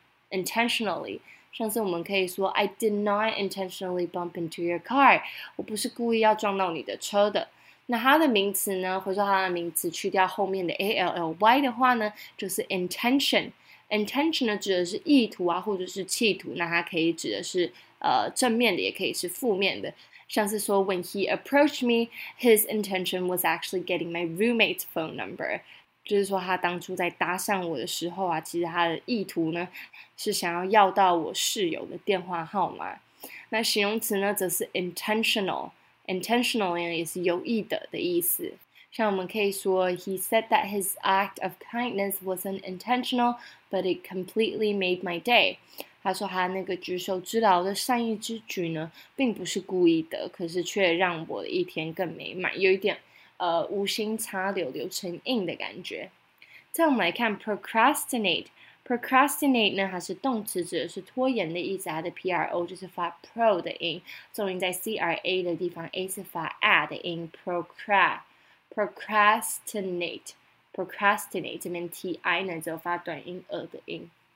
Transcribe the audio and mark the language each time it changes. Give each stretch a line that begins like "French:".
English: Intentionally,
Chinese: 上次我们可以说,
English: I did not intentionally bump into your car,
Chinese: 我不是故意要撞到你的车的。那它的名词呢, 或者它的名词, 去掉后面的ally的话呢, 就是intention, intention指的是意图啊, 或者是企图, 那它可以指的是, 正面的, 也可以是负面的。像是说,
English: when he approached me, his intention was actually getting my roommate's phone number.
Chinese: 就是说他当初在搭讪我的时候啊, 其实他的意图呢, 是想要要到我室友的电话号码。那形容词呢, 则是intentional, intentionally也是有意的的意思。像我们可以说,
English: he said that his act of kindness wasn't intentional, but it completely made my day.
Chinese: 他说他那个举手之劳的善意之举呢, 并不是故意的, 可是却让我的一天更美满, 有一点, 无心插柳柳成荫的感觉。再我们来看procrastinate, procrastinate呢, 它是动词, 指的是拖延的意思, 它的PRO 就是发PRO的音, 重音在CRA的地方, A是发A的音, procrastinate, procrastinate, 这边TI呢, 只有发短音E的音。